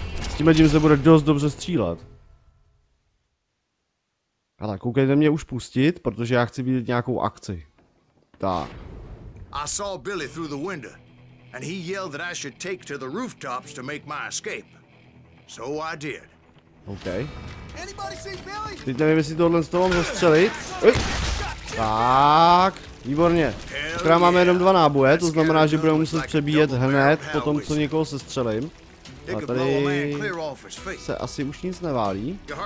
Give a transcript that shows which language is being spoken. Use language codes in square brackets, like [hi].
[cs] S tím se bude dost dobře střílet. Ale koukejte mě už pustit, protože já chci vidět nějakou akci. Tak. [en] I saw Billy through the window and he yelled that I should take to the rooftops to make my escape. So I did. Okay. Anybody see Billy? [cs] Teď nevím, jestli tohle z toho můžu střelit. Tak, výborně. Teď máme jenom dva náboje, to znamená, že budeme muset přebíjet hned po tom, co někoho sestřelím. A tady se asi už nic neválí.